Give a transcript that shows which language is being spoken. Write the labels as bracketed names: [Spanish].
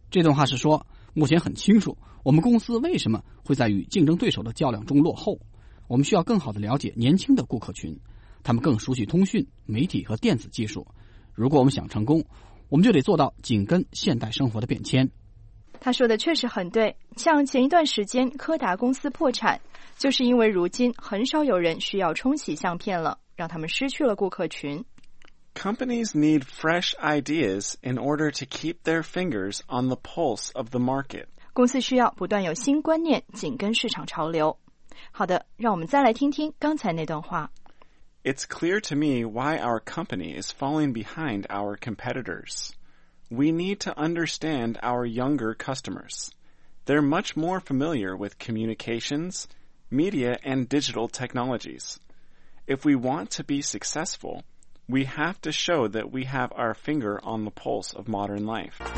[Chinese] 这段话是说，目前很清楚，我们公司为什么会在与竞争对手的较量中落后。我们需要更好地了解年轻的顾客群。他们更熟悉通讯、媒体和电子技术。如果我们想成功，我们就得做到紧跟现代生活的变迁。他说的确实很对，像前一段时间柯达公司破产，就是因为如今很少有人需要冲洗相片了，让他们失去了顾客群。 [English] Companies need fresh ideas in order to keep their fingers on the pulse of the market. [Chinese] 公司需要不断有新观念，紧跟市场潮流。好的，让我们再来听听刚才那段话。 [English] It's clear to me why our company is falling behind our competitors. We need to understand our younger customers. They're much more familiar with communications, media, and digital technologies. If we want to be successful, we have to show that we have our finger on the pulse of modern life.